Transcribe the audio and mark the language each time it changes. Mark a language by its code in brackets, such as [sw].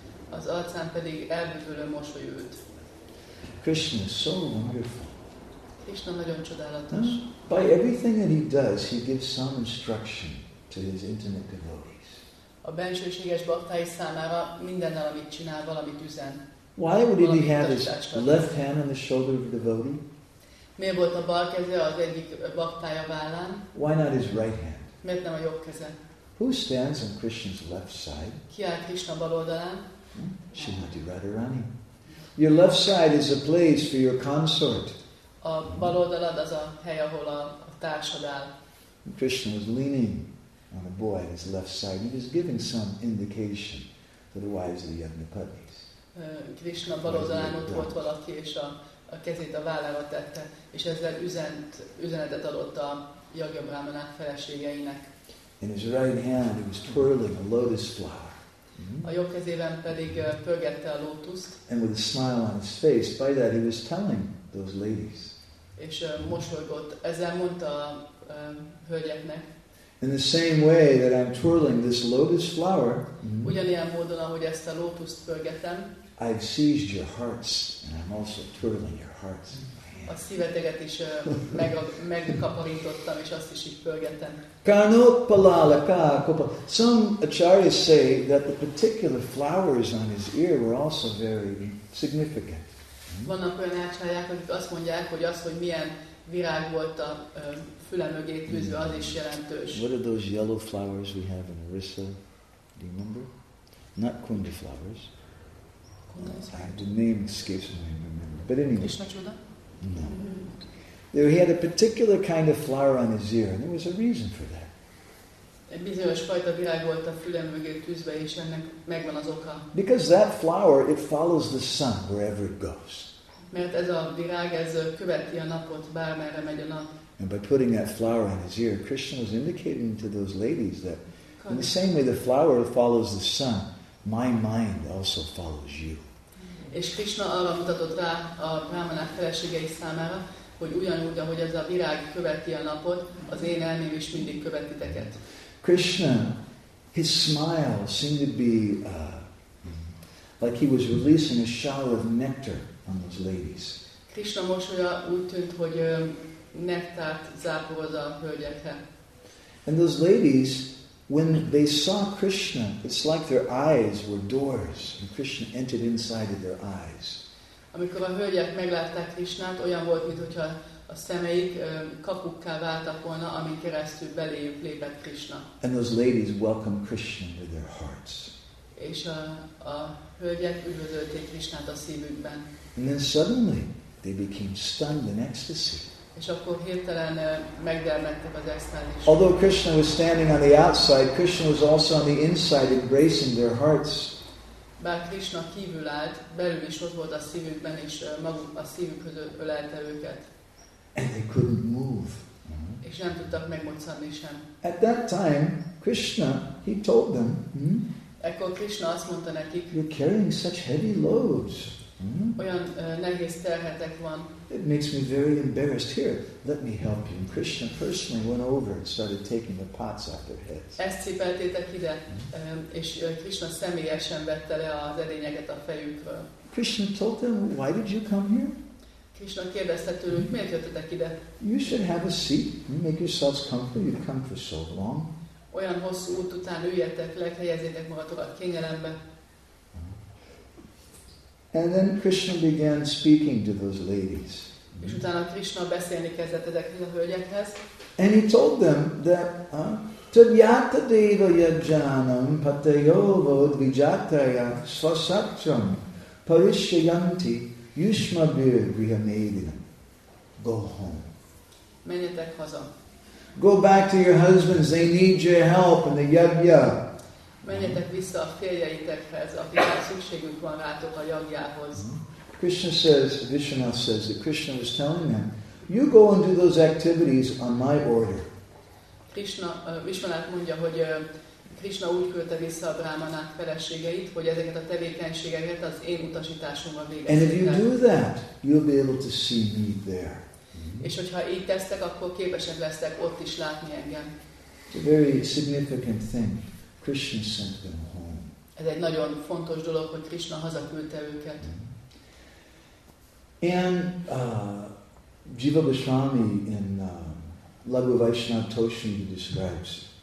[hu] Az arcán pedig elbűvölő mosoly ült. [en] Krishna is so wonderful. [hu] Krishna nagyon csodálatos. [en] By everything that he does, he gives some instruction to his intimate devotees. [hu] A bensőséges baktái számára mindennel, amit csinál, valamit üzen. [en] Why would he have his left hand on the shoulder of a devotee? [hu] Miért volt a bal keze az egyik baktája vállán? [en] Why not his right hand? [hu] Miért nem a jobb keze? [en] Who stands on Krishna's left side? Ki áll Krishna bal oldalán? Srimati Radharani. Your left side is a place for your consort. [hu] A bal oldalad az a hely, ahol a társad áll. [en] Krishna was leaning on the boy at his left side. He was giving some indication to the wives of the young Yajnapatnis. [hu] Krishna bal oldalán ott volt valaki, és a kezét a vállára tette, és ezzel üzenetet adott a Yajna Brahmanák feleségeinek. [en] In his right hand he was twirling a lotus flower. [hu] A jobb kezében pedig pörgette a lótuszt. [en] And with a smile on his face, by that he was telling those ladies. [hu] És mosolygott, ezzel mondta a hölgyeknek. [en] In the same way that I'm twirling this lotus flower, [hu] ugyanilyen módon, ahogy ezt a lótuszt pörgetem, [en] I've seized your hearts, and I'm also twirling your hearts. [hu] A szíveteket is megkaparintottam, és azt is így pörgetem. Kanupalalaka kapala. [en] Some acharyas say that the particular flowers on his ear were also very significant. [hu] Vannak olyan acharyák, akik azt mondják, hogy az, hogy milyen virág volt a fülem mögé tűzve, az is jelentős. [en] What are those yellow flowers we have in Orissa? Do you remember? Not kundi flowers. The name escapes my memory. But anyway. Krishna Chuda? No. He had a particular kind of flower on his ear, and there was a reason for that. [hu] Egy bizonyos fajta virág volt a fülem mögé tűzve, és ennek megvan az oka. [en] Because that flower, it follows the sun wherever it goes. [hu] Mert ez a virág, ez követi a napot, bármerre megy a nap. [en] And by putting that flower on his ear, Krishna was indicating to those ladies that in the same way the flower follows the sun, my mind also follows you. [hu] És Krishna arra mutatott rá a brahmanák feleségei számára, hogy ugyanúgy, ahogy ez a virág követi a napot, az én elmém is mindig követi teket. [en] Krishna, his smile seemed to be like he was releasing a shower of nectar on those ladies. [hu] Krishna mosolya úgy tűnt, hogy nektárt zápolt a hölgyekre. [en] And those ladies, when they saw Krishna, it's like their eyes were doors, and Krishna entered inside of their eyes. [hu] Amikor a hölgyek meglátták Krishnát, olyan volt, mintha a szemeik kapukká váltak volna, amin keresztül beléjük lépett Krishna. [en] And those ladies welcomed Krishna with their hearts. [hu] És a hölgyek üdvözölték Krishnát a szívükben. [en] And then suddenly, they became stunned in ecstasy. [hu] És akkor hirtelen megdermedtek az extázisban. [en] Although Krishna was standing on the outside, Krishna was also on the inside embracing their hearts. [hu] Bár Krishna kívül állt, belül is ott volt a szívükben, és maguk a szívük között ölelte őket. [en] And they couldn't move. [hu] És nem tudtak megmozdulni sem. [en] At that time, Krishna, he told them, [hu] Ekkor Krishna azt mondta nekik, [en] you're carrying such heavy loads. [hu] Olyan nehéz terhetek van. [en] It makes me very embarrassed. Here, let me help you. And Krishna personally went over and started taking the pots off their heads. [hu] Ezt cipeltétek ide, és Krishna személyesen vette le az edényeket a fejükről. [en] Krishna told them, why did you come here? [hu] Krishna kérdezte tőlük, miért jöttetek ide? [en] You should have a seat. You make yourselves comfortable. You've come for so long. [hu] Olyan hosszú út után üljetek le, helyezzétek magatokat kényelembe. [en] And then Krishna began speaking to those ladies. [hu] És utána Krishna beszélni kezdett ezekhez a hölgyekhez. [en] And he told them that [sa] tadyata deva yajanam patayo vod vijataya svasakcham parishyanti yushmabir vihamedinam. [en] Go home. [hu] Menjetek haza. [en] Go back to your husbands, they need your help in the yajna. [hu] Menjetek vissza a férjeitekhez, akikre szükségünk van rátok a jagjához. [en] Krishna says, Vishwanath says that Krishna was telling them, you go and do those activities on my order. [hu] Krishna, Vishwanath mondja, hogy Krishna úgy küldte vissza a brámanák feleségeit, hogy ezeket a tevékenységeket az én utasításommal végezzék. [en] And if you do that, you'll be able to see me there. [hu] És hogyha így tesztek, akkor képesek lesztek ott is látni engem. [en] It's a very significant thing. Krishna sent them home. [hu] Ez egy nagyon fontos dolog, hogy Krishna hazaküldte őket. [en] And Jiva Goswami in Laghu Vaishnav Toshani describes.